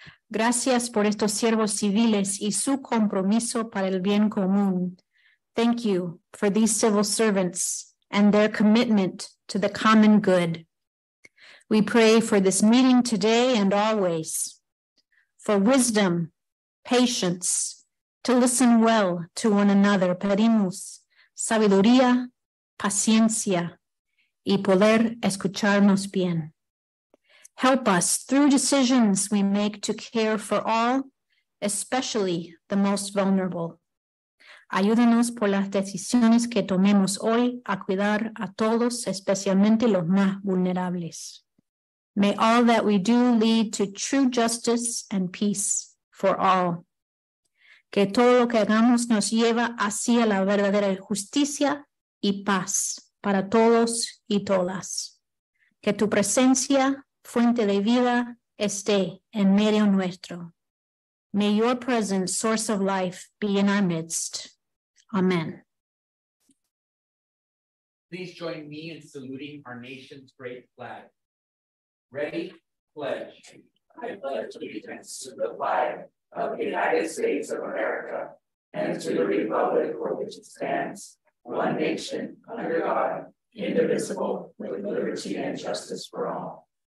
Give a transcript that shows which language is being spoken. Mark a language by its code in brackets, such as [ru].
[es] Gracias por estos siervos civiles y su compromiso para el bien común. [en] Thank you for these civil servants and their commitment to the common good. We pray for this meeting today and always, for wisdom, patience, to listen well to one another. [es] Pedimos sabiduría, paciencia, y poder escucharnos bien. [en] Help us through decisions we make to care for all, especially the most vulnerable. [es] Ayúdanos por las decisiones que tomemos hoy a cuidar a todos, especialmente los más vulnerables. [en] May all that we do lead to true justice and peace for all. [es] Que todo lo que hagamos nos lleva hacia la verdadera justicia y paz para todos y todas. Que tu presencia, fuente de vida, esté en medio nuestro. [en] May your presence, source of life, be in our midst. Amen. Please join me in saluting our nation's great flag. Ready? Pledge. I pledge allegiance to the flag of the United States of America and to the republic for which it stands, one nation, under God, indivisible, with liberty and justice for all.